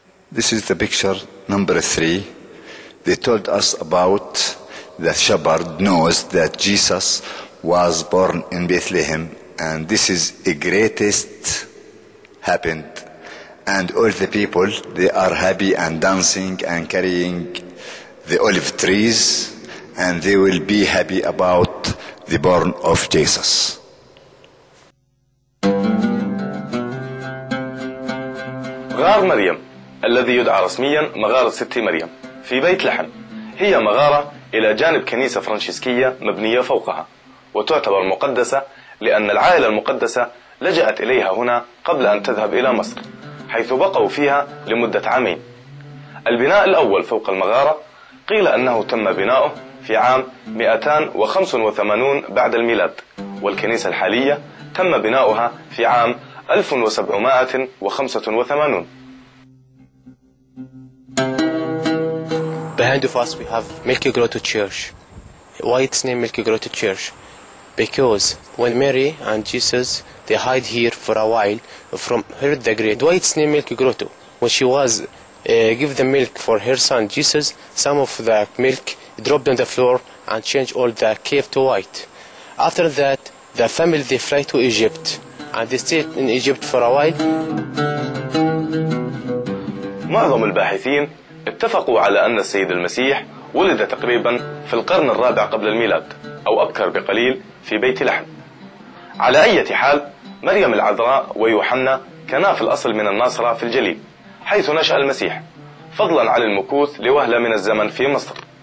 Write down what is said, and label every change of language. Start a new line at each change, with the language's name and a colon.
English: This is the picture number three. They told us about the shepherd knows that Jesus was born in Bethlehem, and this is the greatest happened, and all the people, they are happy and dancing and carrying the olive trees, and they will be happy about the born of Jesus.
Arabic: غار مريم الذي يدعى رسميا مغارة ست مريم في بيت لحم هي مغارة إلى جانب كنيسة فرنسيسكية مبنية فوقها، وتعتبر مقدسة لأن العائلة المقدسة لجأت إليها هنا قبل أن تذهب إلى مصر، حيث بقوا فيها لمدة عامين. البناء الأول فوق المغارة قيل أنه تم بناؤه في عام 285 بعد الميلاد، والكنيسة الحالية تم بناؤها في عام 1785.
English: Behind of us we have Milky Grotto Church. Why it's named Milky Grotto Church? Because when Mary and Jesus, they hide here for a while from Herod the Great. Why it's named Milky Grotto? When she was give the milk for her son Jesus, some of the milk dropped on the floor and changed all the cave to white. After that, the family, they fly to Egypt and they stayed in Egypt for a while.
Arabic: معظم الباحثين اتفقوا على أن السيد المسيح ولد تقريبا في القرن الرابع قبل الميلاد أو أبكر بقليل في بيت لحم. على أي حال، مريم العذراء ويوحنا كانا في الأصل من الناصرة في الجليل حيث نشأ المسيح، فضلا عن المكوث لوهلة من الزمن في مصر.